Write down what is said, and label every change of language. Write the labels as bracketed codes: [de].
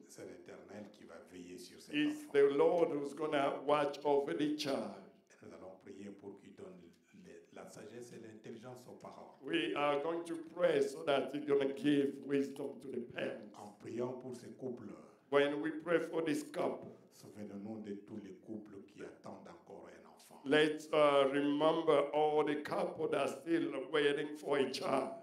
[fr] C'est l'Éternel qui va veiller sur cet enfant. [en] It's the Lord who's going to watch over the child. [fr] Nous allons prier pour qu'il donne la sagesse et l'intelligence aux parents. [en] We are going to pray so that he's going to give wisdom to the parents. [fr] En priant pour ces couples. [en] When we pray for this couple. [fr] Souvenons-nous de tous les couples qui attendent encore un enfant. [en] Let's remember all the couples that are still waiting for a child.